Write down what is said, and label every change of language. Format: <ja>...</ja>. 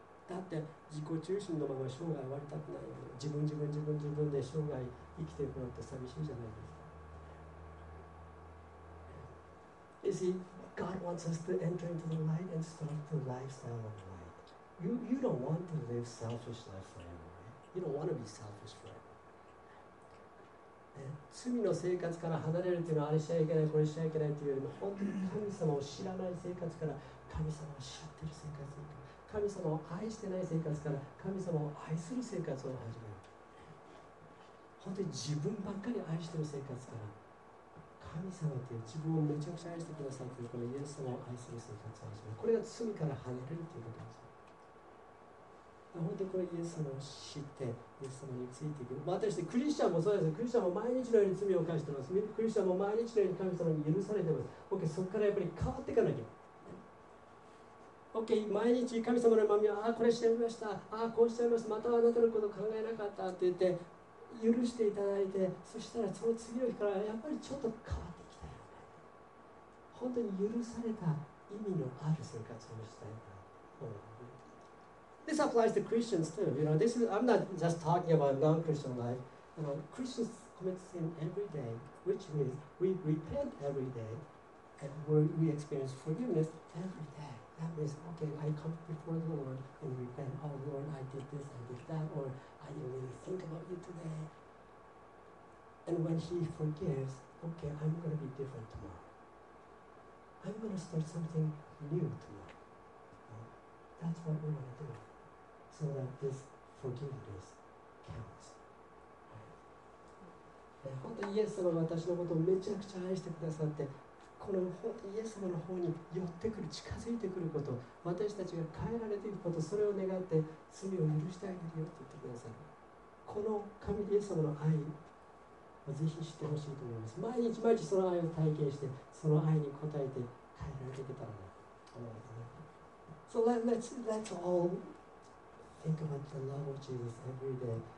<ja>だって自己中心のまま生涯終わりたくないよ、ね、自分自分自分自分で生涯生きていくのって寂しいじゃないですか。</ja> <en>You seeGod wants us to enter into the light and start the lifestyle of light. You don't want to live selfish life forever, right? You don't want to be selfish forever.</en> <ja>罪の生活から離れるというのはあれしちゃいけない、これしちゃいけないというよりも、本当に神様を知らない生活から神様を知ってる生活に、神様を愛してない生活から神様を愛する生活を始める。本当に自分ばっかり愛してる生活から神神様って自分をめちゃくちゃ愛してくださっているこのイエス様を愛する生活を始める。これが罪から離れるということです。本当にこれイエス様を知ってイエス様についていく。またしてクリスチャンもそうです。クリスチャンも毎日のように罪を犯しています。クリスチャンも毎日のように神様に許されています。OK、 そこからやっぱり変わっていかなきゃ。 OK、 毎日神様の恵みを、ああこれしちゃいました、ああこうしちゃいました、またあなたのことを考えなかったって言って許していただいて、そしたらその次の日からやっぱりちょっと変わってきたよね。本当に許された意味のある生活をしたいな。</ja> <en>This applies to Christians too. You know, this is, I'm not just talking about non-Christian life. You know, Christians commit sin every day, which means we repent every day and we experience forgiveness every day. That means, okay, I come before the Lord and repent. Oh Lord, I did this, I did that, or I didn't really think about you today. And when He forgives, okay, I'm going to be different tomorrow. I'm going to start something new tomorrow. You know, that's what we want to do. So that this forgiveness counts. Right.</en> <ja>本当にイエス様が私のことをめちゃくちゃ愛してくださって、この本当にイエス様の方に寄ってくる、近づいてくること、私たちが変えられていくこと、それを願って罪を許してあげるよって言ってくださる、この神イエス様の愛をぜひ知ってほしいと思います。毎日毎日その愛を体験して、その愛に応えて変えられていけたらなと思います。</ja> <en>So that's allThink about the love of Jesus every day.</en>